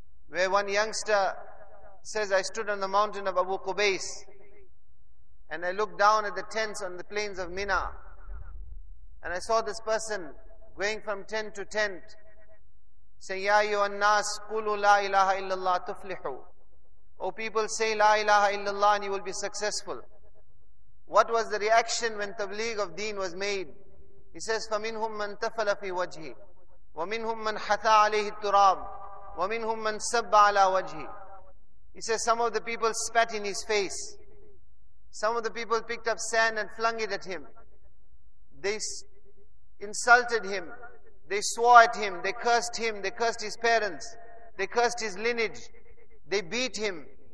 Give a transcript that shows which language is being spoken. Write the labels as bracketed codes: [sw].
[en] where one youngster says, I stood on the mountain of Abu Qubais and I looked down at the tents on the plains of Mina, and I saw this person going from tent to tent saying, [ar] Ya ayyuhan nas, qulu la ilaha illallah tuflihu. [en] O people, say la ilaha illallah and you will be successful. What was the reaction when tabligh of deen was made? He says, [ar] فَمِنْهُمْ مَنْ تَفَلَ فِي وَجْهِ وَمِنْهُمْ مَنْ حَثَى عَلَيْهِ التُّرَابِ وَمِنْهُمْ مَنْ سَبَّ عَلَىٰ وَجْهِ. [en] He says, some of the people spat in his face. Some of the people picked up sand and flung it at him. They insulted him. They swore at him. They cursed him. They cursed his parents. They cursed his lineage. They beat him.